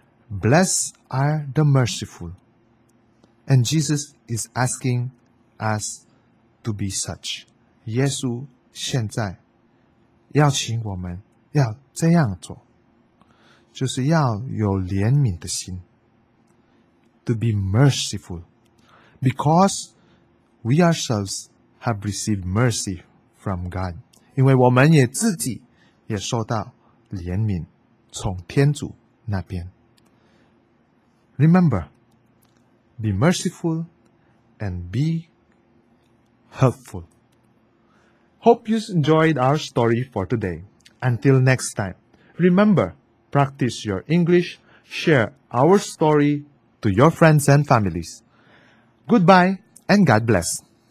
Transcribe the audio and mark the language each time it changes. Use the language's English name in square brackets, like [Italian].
[English] Blessed are the merciful， and Jesus is asking us to be such。 [Chinese] 耶稣现在邀请我们要这样做，就是要有怜悯的心 ， [English] to be merciful， because we ourselves have received mercy from God， [Chinese] 因为我们也自己也受到怜悯从天主那边。 [English] Remember, be merciful and be helpful. Hope you enjoyed our story for today. Until next time, remember, practice your English, share our story to your friends and families. Goodbye. And God bless.